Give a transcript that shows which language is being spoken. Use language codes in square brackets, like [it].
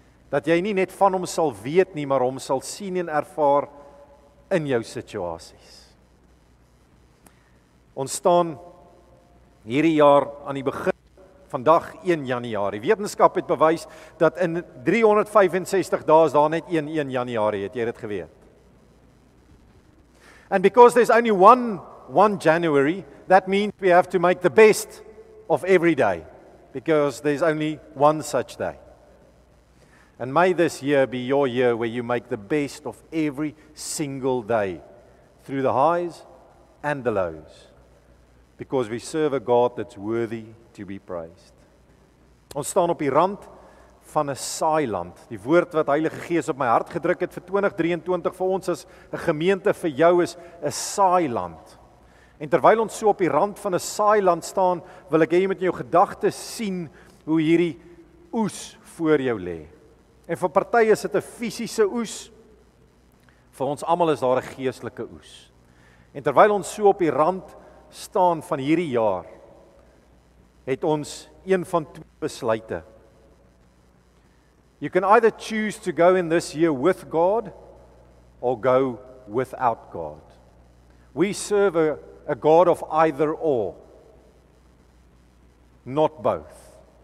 [af] Dat jy nie net van hom sal weet nie, maar hom sal sien en ervaar in jou situasies. Ons staan hierdie jaar aan die begin, vandag 1 Januarie. Wetenskap het bewys dat in 365 dae is daar net 1 Januarie, het jy dit geweet? [en] And because there's only one January, that means we have to make the best of every day, because there's only one such day. And may this year be your year where you make the best of every single day, through the highs and the lows, because we serve a God that's worthy to be praised. [af] Ons staan op die rand van 'n saailand. Die woord wat Heilige Gees op my hart gedruk het vir 2023 vir ons as 'n gemeente, vir jou is 'n saailand. En terwyl ons so op die rand van 'n saailand staan, wil ek hê jy moet in jou gedagtes sien hoe hierdie oes voor jou lê. En vir party is dit 'n fisiese oes, vir ons almal is daar 'n geestelike oes. En terwyl ons so op die rand staan van hierdie jaar, het ons een van twee besluite. [en] You can either choose to go in this year with God or go without God. We serve a God of either or, not both.